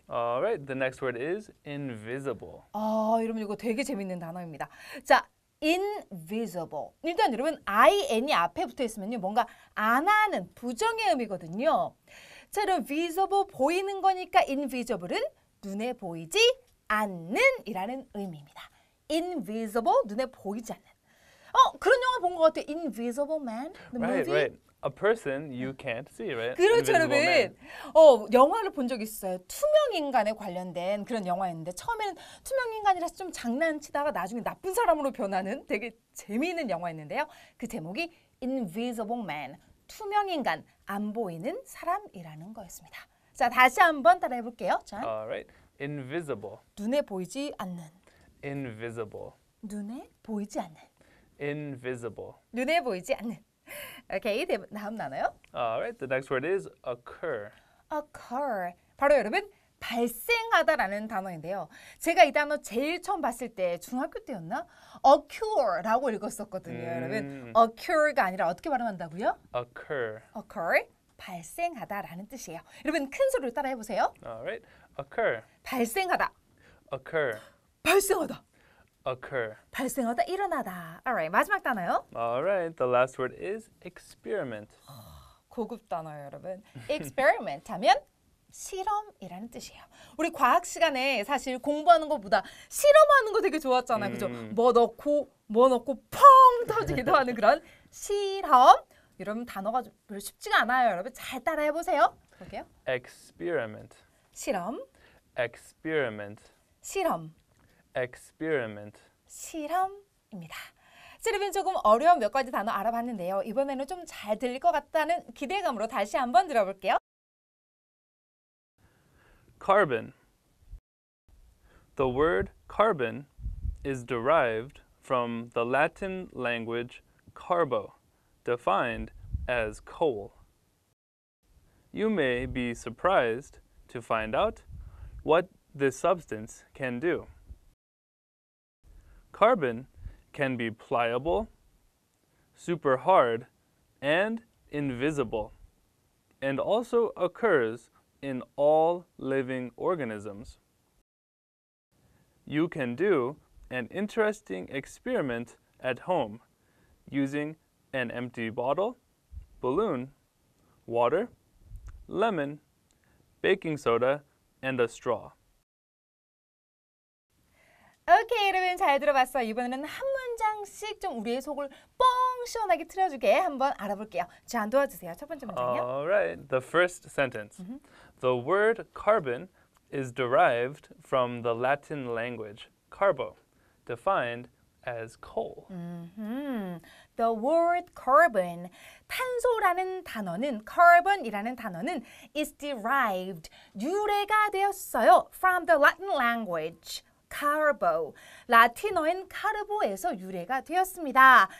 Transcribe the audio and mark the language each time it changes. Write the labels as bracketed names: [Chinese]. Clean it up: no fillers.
[English] Alright, the next word is invisible. [Korean] 아, 여러분 이거 되게 재밌는 단어입니다. 자, invisible. 일단 여러분, IN이 앞에 붙어있으면요. 뭔가 안 하는, 부정의 의미거든요. 자, 그럼 visible 보이는 거니까 invisible은 눈에 보이지 않는 이라는 의미입니다. Invisible, 눈에 보이지 않는. 어, 그런 영화 본 것 같아요. [English] Invisible Man, the right, movie. Right. A person you can't see, right? [Korean] 그렇죠, 여러분. 어, 영화를 본 적 있어요. 투명인간에 관련된 그런 영화였는데 처음에는 투명인간이라서 좀 장난치다가 나중에 나쁜 사람으로 변하는 되게 재미있는 영화였는데요. 그 제목이 Invisible Man, 투명인간, 안 보이는 사람이라는 거였습니다. 자, 다시 한번 따라해볼게요, 전. [English] Alright, invisible. [Korean] 눈에 보이지 않는. [English] Invisible. [Korean] 눈에 보이지 않는. [English] Invisible. [Korean] 눈에 보이지 않는. Okay, 다음 나눠요. [English] Alright, the next word is occur. Occur. [Korean] 바로 여러분, 발생하다라는 단어인데요. 제가 이 단어 제일 처음 봤을 때, 중학교 때였나? Occur라고 읽었었거든요, 여러분. Occur가 아니라 어떻게 발음한다고요? [English] Occur. [Korean] Occur, 발생하다라는 뜻이에요. 여러분, 큰 소리로 따라해보세요. [English] Alright, occur. [Korean] 발생하다. [English] Occur. [Korean] 발생하다. [English] Occur. [Korean] 발생하다, 일어나다. Alright, 마지막 단어요. [English] Alright, the last word is experiment. [Korean] 고급 단어요, 여러분. Experiment 하면 실험이라는 뜻이에요. 우리 과학 시간에 사실 공부하는 것보다 실험하는 거 되게 좋았잖아요, 그죠? 뭐 넣고 펑 터지기도 하는 그런 실험. 여러분, 단어가 별로 쉽지가 않아요, 여러분. 잘 따라해보세요. 볼게요. [English] Experiment. [Korean] 실험. [English] Experiment. [Korean] 실험. [English] Experiment. [Korean] 실험입니다. 자, 여러분 조금 어려운 몇 가지 단어 알아봤는데요. 이번에는 좀 잘 들릴 것 같다는 기대감으로 다시 한번 들어볼게요. [English] Carbon. The word carbon is derived from the Latin language carbo, defined as coal. You may be surprised to find out what this substance can do. Carbon can be pliable, super hard, and invisible, and also occurs in all living organisms. You can do an interesting experiment at home using an empty bottle, balloon, water, lemon, baking soda, and a straw. [Korean] 오케이, 여러분 잘 들어봤어요. 이번에는 한 문장씩 좀 우리의 속을 뻥 시원하게 틀어주게 한번 알아볼게요. 자, 안 도와주세요. 첫 번째 문장이요. [English] All right, the first sentence. The word carbon is derived from the Latin language carbo, defined as coal. The word carbon, [Korean] 탄소라는 단어는, carbon이라는 단어는 [English] is derived, [Korean] 유래가 되었어요. [English] From the Latin language, carbo. [Korean] 라틴어인 carbo에서 유래가 되었습니다.